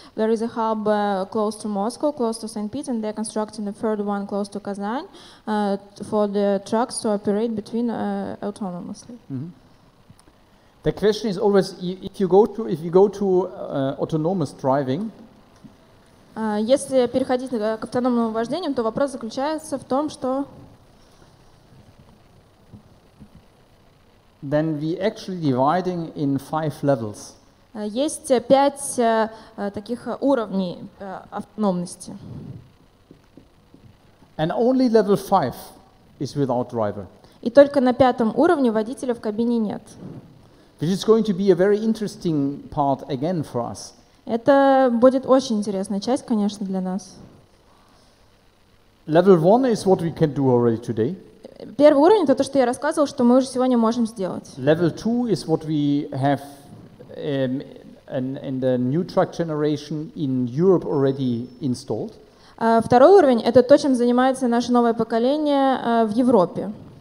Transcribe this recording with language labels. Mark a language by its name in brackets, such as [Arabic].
[English] There is a hub close to Moscow, close to St. Pete, and they're constructing a third one close to Kazan for the trucks to operate between autonomously. Mm-hmm. The question is always if you go to autonomous driving. [Russian] Если переходить к автономному вождению, то вопрос заключается в том, что [English] then we actually dividing in five levels. [Russian] Есть пять таких уровней автономности. [English] And only level 5 is without driver. [Russian] И только на пятом уровне водителя в кабине нет. [English] This is going to be a very interesting part again for us. [Russian] Это будет очень интересная часть, конечно, для нас. [English] Level one is what we can do already today. [Russian] Первый уровень — это то, что я рассказывал, что мы уже сегодня можем сделать. [English] Level two is what we have in the new truck generation in Europe already installed. [Russian] Второй уровень — это то, чем занимается наше новое поколение в Европе.